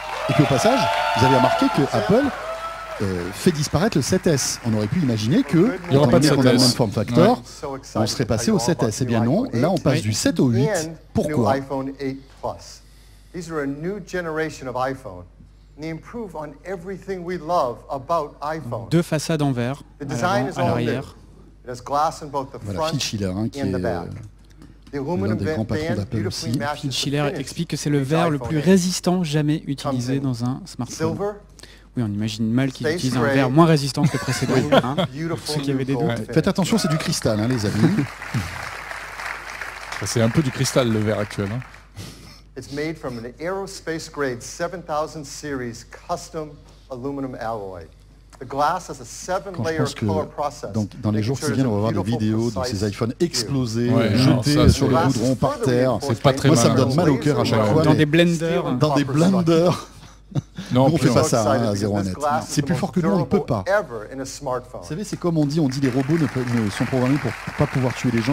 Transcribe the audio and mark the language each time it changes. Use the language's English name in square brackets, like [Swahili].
[French] Et puis au passage, vous avez remarqué que Apple fait disparaître le 7S. On aurait pu imaginer que, il y aura pas de 7S. Le form factor, on serait passé au 7S. Eh bien non, là on passe du 7 au 8. Pourquoi ? [English] These are a new generation of iPhone. They improve on everything we love about iPhone. [French] Deux façades en verre. [English] The design is all new. It has glass in both the front and the back. [French] L'un des grands patrons d'Apple aussi. Phil Schiller explique que c'est le verre le plus résistant jamais utilisé dans un smartphone. Oui, on imagine mal qu'ils utilisent un verre moins résistant que le précédent. Oui. Hein, pour ceux qui avaient des doutes. Faites attention, c'est du cristal, hein, les amis. C'est un peu du cristal, le verre actuel. Hein. [English] It's made from an aerospace grade 7000 series custom aluminum alloy. The glass has a seven-layer color process. [French] Donc, dans les jours qui viennent, on va voir des vidéos de ces iPhones explosés, ouais, jetés ça, sur le goudron par terre. C'est pas très moi, malin. Ça me donne mal au cœur à chaque fois. Dans des blenders. Dans des blenders. Non, on fait pas ça à 0.net. C'est plus fort que nous, on ne peut pas. Vous savez, c'est comme on dit les robots ne sont programmés pour pas pouvoir tuer les gens.